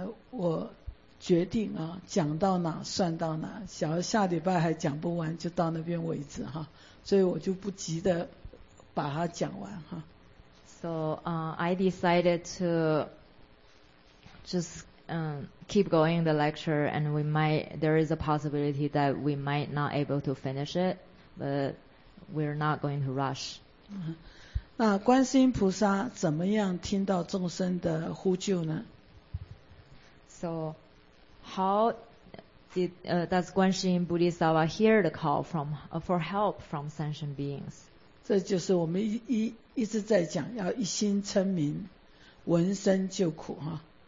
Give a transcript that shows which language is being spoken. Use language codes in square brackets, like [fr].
[zh] 我决定啊，讲到哪算到哪，想要下礼拜还讲不完就到那边为止哈，所以我就不急的把它讲完哈。 [en] So, I decided to just keep going the lecture, and there is a possibility that we might not able to finish it, but we're not going to rush. [zh] 那观世音菩萨怎么样听到众生的呼救呢？ [en] So how does Guanxin Bodhisattva hear the call for help from sentient beings? [zh] 这就是我们一直在讲要一心称名闻声救苦哈。